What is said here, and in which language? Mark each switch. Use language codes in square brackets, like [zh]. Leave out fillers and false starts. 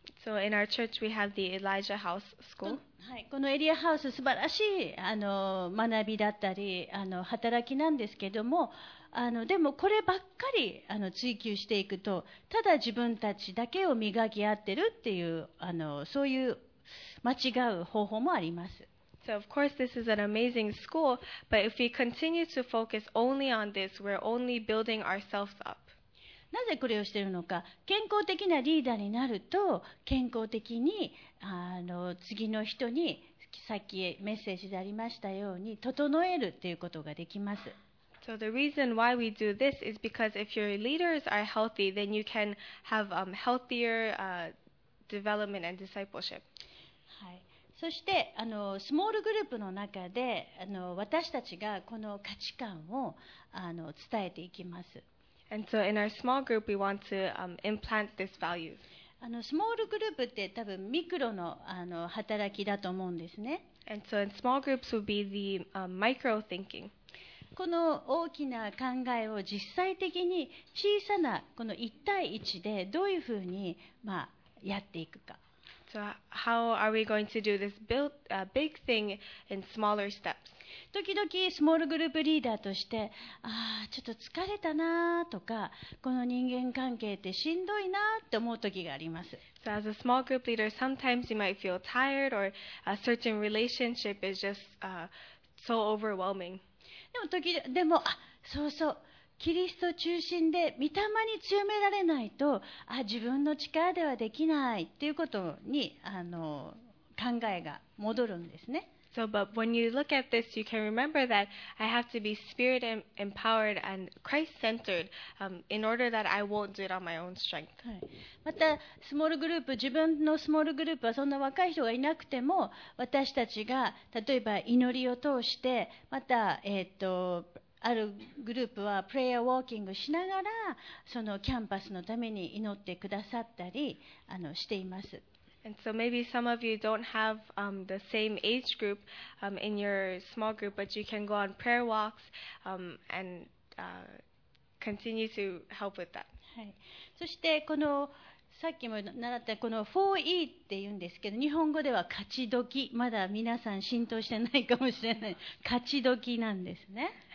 [en] So in our church we have the Elijah House School. [ja] はい、このエリアハウス素晴らしいあの学びだったりあの働きなんですけども、あのでもこればっかりあの追求していくと、ただ自分たちだけを磨き合ってるっていうあのそういう間違う方法もあります。 [en] So of course this is an amazing school, but if we continue to focus only on this, we're only building ourselves up. [ja] なぜこれをしているのか。健康的なリーダーになると、健康的にあの次の人にさっきメッセージでありましたように整えるということができます。 [en] So the reason why we do this is because if your leaders are healthy, then you can have healthier development and discipleship. [ja] はい。そしてあのスモールグループの中であの私たちがこの価値観をあの伝えていきます。 [en] And so in our small group, we want to、implant this value. [ja] あの、スモールグループって多分ミクロの、あの、働きだと思うんですね。 [en] And so in small groups would be the、micro thinking. [ja] この大きな考えを実際的に小さなこの1対1でどういうふうに、まあ、やっていくか。 [en] So how are we going to do this build, big thing in smaller steps? [ja] 時々スモールグループリーダーとして、ああちょっと疲れたなとか、この人間関係ってしんどいなって思う時があります。 [en] So as a small group leader, sometimes you might feel tired or a certain relationship is just so overwhelming. [ja] でも時でもあそうそうキリスト中心で御霊に強められないと、あ、自分の力ではできないっていうことに考えが戻るんですね。 [en] So, but when you look at this, you can remember that I have to be spirit empowered and Christ-centered, in order that I won't do it on my own strength. [ja] はい。また、スモールグループ、自分のスモールグループはそんな若い人がいなくても、私たちが、例えば祈りを通して、また、あるグループはプレイヤーウォーキングしながら、そのキャンパスのために祈ってくださったり、しています。 [en] And so maybe some of you don't have the same age group in your small group, but you can go on prayer walks and continue to help with that. [ja] はい。そしてこのさっきも習ったこの 4E って言うんですけど、日本語では勝ち時、まだ皆さん浸透してないかもしれない、勝ち時なんですね。